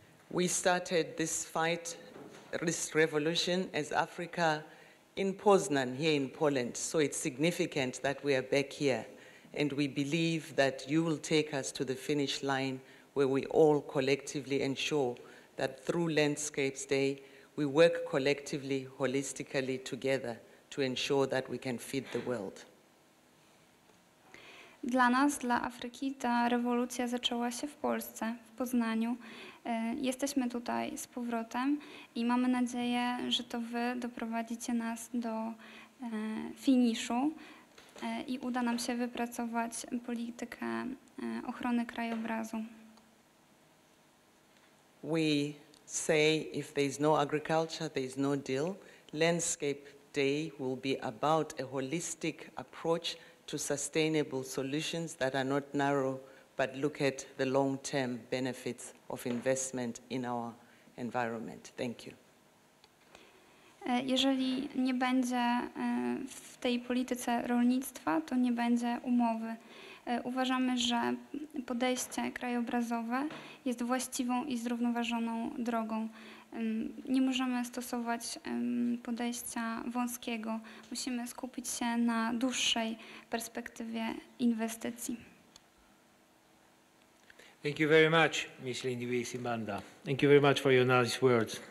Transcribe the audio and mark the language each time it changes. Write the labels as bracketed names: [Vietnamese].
[English] We started this fight, this revolution, as Africa in Poznan, here in Poland. So it's significant that we are back here. And we believe that you will take us to the finish line where we all collectively ensure that through Landscapes Day, we work collectively, holistically together to ensure that we can feed the world. [Polish] Dla nas, dla Afryki, ta rewolucja zaczęła się w Polsce, w Poznaniu. Jesteśmy tutaj z powrotem i mamy nadzieję, że to wy doprowadzicie nas do finiszu i uda nam się wypracować politykę ochrony krajobrazu. [English] We say if there is no agriculture, there is no deal. Landscape Day will be about a holistic approach to sustainable solutions that are not narrow, but look at the long-term benefits of investment in our environment. Thank you. [Polish] Jeżeli nie będzie w tej polityce rolnictwa, to nie będzie umowy. Uważamy, że podejście krajobrazowe jest właściwą i zrównoważoną drogą. Nie możemy stosować podejścia wąskiego. Musimy skupić się na dłuższej perspektywie inwestycji. [English] Thank you very much, Ms. Lindiwe Simbanda. Thank you very much for your nice words.